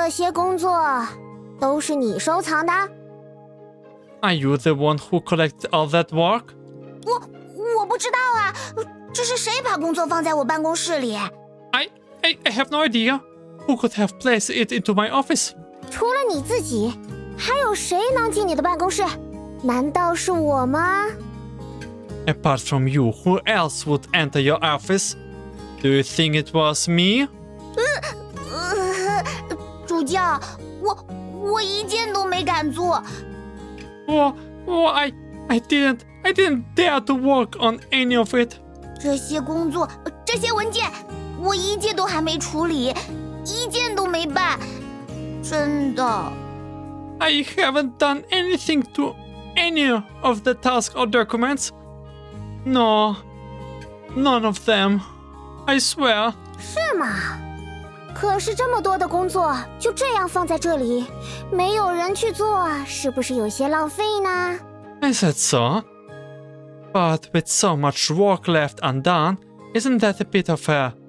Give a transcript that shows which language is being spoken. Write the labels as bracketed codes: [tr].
[zh] 这些工作都是你收藏的? [en] Are you the one who collected all that work? [zh] 我不知道啊, 这是谁把工作放在我办公室里? [en] I have no idea. Who could have placed it into my office? [zh] 除了你自己, 还有谁能进你的办公室? 难道是我吗? [en] Apart from you, who else would enter your office? Do you think it was me? [zh] 主教, 我一件都没敢做。 [en] I didn't dare to work on any of it. [zh] 这些工作, 这些文件, 我一件都还没处理,一件都没办,真的。 [en] I haven't done anything to any of the tasks or documents. No, none of them, I swear. [zh] 是吗? 可是这么多的工作就这样放在这里,没有人去做,是不是有些浪费呢? [en] I said so. But with so much work left undone, isn't that a bit of a...